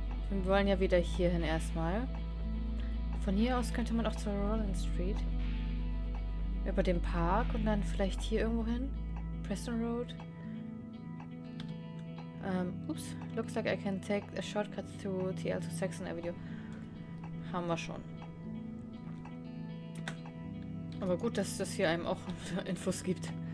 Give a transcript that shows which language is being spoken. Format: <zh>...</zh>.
<de>Wir wollen ja wieder hierhin erstmal. Von hier aus könnte man auch zur Rollins Street. Über den Park und dann vielleicht hier irgendwo hin. Preston Road. Ups.</de> <en>Looks like I can take a shortcut to TL to Saxon Avenue.</en> <de>Haben wir schon. Aber gut, dass das hier einem auch Infos gibt.</de>